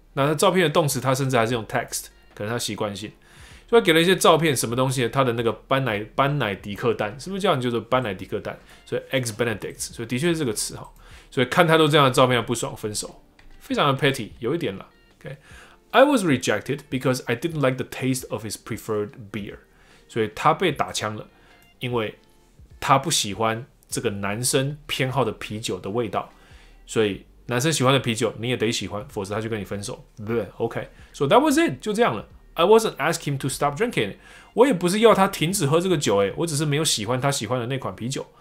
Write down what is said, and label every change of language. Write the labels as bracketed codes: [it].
[zh] 那他照片的动词，他甚至还是用 text， 可能他习惯性。所以给了一些照片，什么东西呢？他的那个班乃迪克蛋，是不是叫你就是班乃迪克蛋？所以 Eggs Benedict， 所以的确是这个词哈。所以看太多这样的照片不爽，分手，非常的 petty， 有一点啦。 [en] Okay， I was rejected because I didn't like the taste of his preferred beer。 [zh] 所以他被打枪了，因为他不喜欢这个男生偏好的啤酒的味道。所以男生喜欢的啤酒你也得喜欢，否则他就跟你分手。 [en] 对 ，OK， so that was it， [zh] 就这样了。 [en] I wasn't asking him to stop drinking. [zh] 我也不是要他停止喝这个酒，我只是没有喜欢他喜欢的那款啤酒。